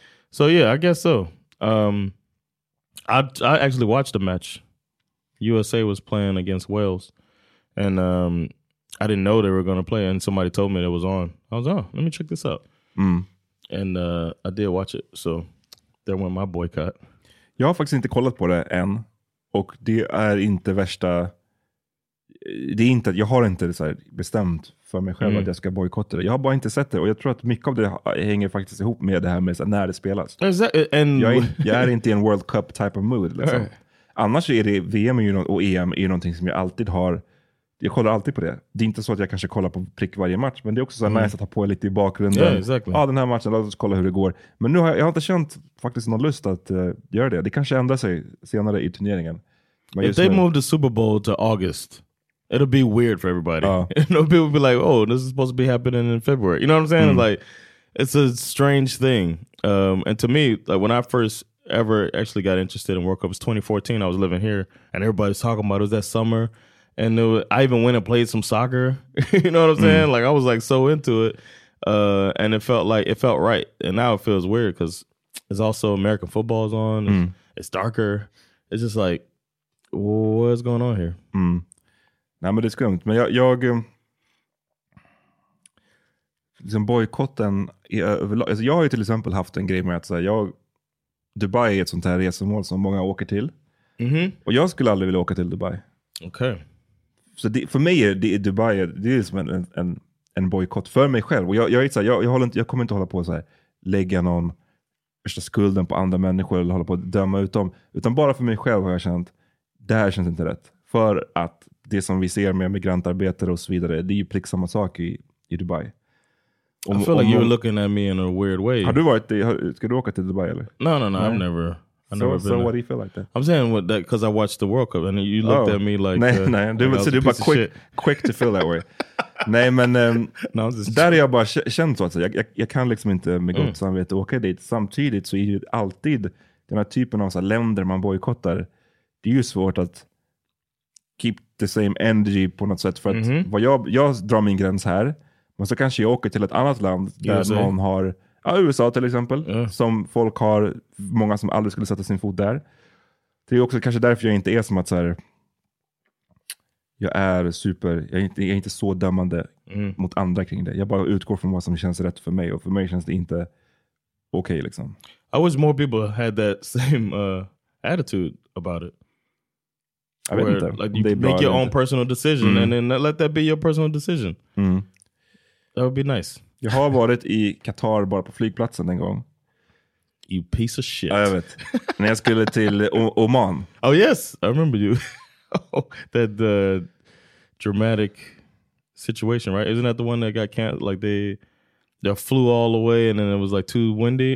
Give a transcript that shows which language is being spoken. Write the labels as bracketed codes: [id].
[en] So yeah, I guess so. I actually watched the match. USA was playing against Wales, and I didn't know they were going to play, and somebody told me it was on. I was, oh, let me check this out. Mm. And I did watch it, so there went my boycott. [sv] Jag har faktiskt inte kollat på det än, och det är inte värsta... Det är inte, jag har inte så här bestämt för mig själv att jag ska boykotta det. Jag har bara inte sett det, och jag tror att mycket av det hänger faktiskt ihop med det här med så här när det spelas. Jag är inte i en [en] World Cup type of mood. [sv] Liksom. [en] Right. [sv] Annars är det VM och EM är någonting som jag alltid har. Jag kollar alltid på det. Det är inte så att jag kanske kollar på prick varje match, men det är också så här nice att ha på lite i bakgrunden. [en] Yeah, exactly. [sv] Ja, den här matchen, låt oss kolla hur det går. Men nu har jag inte känt faktiskt någon lust att göra det. Det kanske ändrar sig senare i turneringen. [en] Men if they move the Super Bowl to August, it'll be weird for everybody. People will be like, oh, this is supposed to be happening in February. You know what I'm saying? Like, it's a strange thing. And to me, like when I first ever actually got interested in World Cup, it was 2014. I was living here, and everybody's talking about it. It was that summer. And it was, I even went and played some soccer. You know what I'm saying? Like, I was, like, so into it. And it felt like, it felt right. And now it feels weird because it's also American football is on. It's darker. It's just like, what's going on here? [sv] Nej, men det är skumt. Men jag liksom bojkotten överlag. Alltså jag har ju till exempel haft en grej med att säga, Dubai är ett sånt här resmål som många åker till. Mm-hmm. Och jag skulle aldrig vilja åka till Dubai. Okej. Okay. Så det, för mig är det, Dubai är, det är liksom en bojkott för mig själv. Och jag är inte så här, jag kommer inte hålla på att så här, lägga någon värsta skulden på andra människor eller hålla på att döma ut dem. Utan bara för mig själv har jag känt, det här känns inte rätt. För att det som vi ser med migrantarbetare och så vidare, det är ju prick samma sak i Dubai. [en] I feel like you're looking at me in a weird way. [sv] Har du varit i, ska du åka till Dubai eller? [en] No. I've never been. So what do you feel like that? I'm saying what that, because I watched the World Cup and you looked at me like, [sv] nej, du var så bara [en] quick to feel that way. [sv] Nej, men där är jag bara känt så att säga. Jag kan liksom inte med gott samvete åka dit. Samtidigt så är ju alltid den här typen av så här, länder man bojkottar, det är ju svårt att [en] keep the same energy [sv] på något sätt. För att vad jag drar min gräns här. Men så kanske jag åker till ett annat land där någon har, ja, USA till exempel. Yeah. Som folk har, många som aldrig skulle sätta sin fot där. Det är också kanske därför jag inte är som att så här, jag är inte så dömande mot andra kring det. Jag bara utgår från vad som känns rätt för mig. Och för mig känns det inte okej liksom. [en] I wish more people had that same attitude about it. Where, like, you make your own personal decision and then let that be your personal decision. Mm. That would be nice. [sv] Jag har varit i Qatar bara på flygplatsen en gång. [en] You piece of shit. [sv] Ja, jag vet. När jag skulle till Oman. [en] Oh yes, I remember you. That dramatic situation, right? Isn't that the one that got canceled? Like they flew all the way and then it was like too windy?